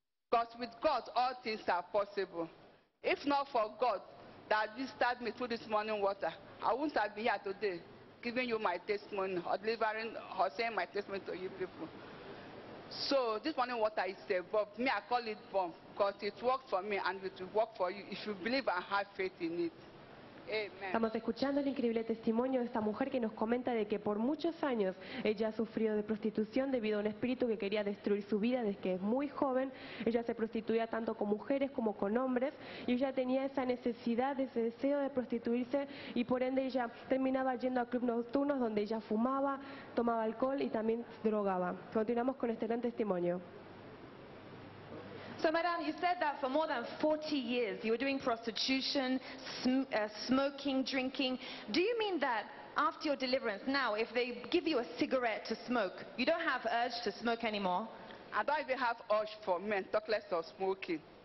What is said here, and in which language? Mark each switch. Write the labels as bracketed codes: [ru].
[en] Because with God, all things are possible. If not for God that ministered me through this morning water, I wouldn't have been here today giving you my testimony or delivering or saying my testimony to you people. So this morning water is a bomb. Me, I call it bomb, because it worked for me and it will work for you if you believe and have faith in it. [es] Estamos escuchando el increíble testimonio de esta mujer que nos comenta de que por muchos años ella ha sufrido de prostitución debido a un espíritu que quería destruir su vida desde que es muy joven. Ella se prostituía tanto con mujeres como con hombres y ella tenía esa necesidad, ese deseo de prostituirse y por ende ella terminaba yendo a clubes nocturnos donde ella fumaba, tomaba alcohol y también drogaba. Continuamos con este gran testimonio. [en] So, madam, you said that for more than 40 years you were doing prostitution, smoking, drinking. Do you mean that after your deliverance, now, if they give you a cigarette to smoke, you don't have urge to smoke anymore? I don't even have urge for men, talk less of smoking.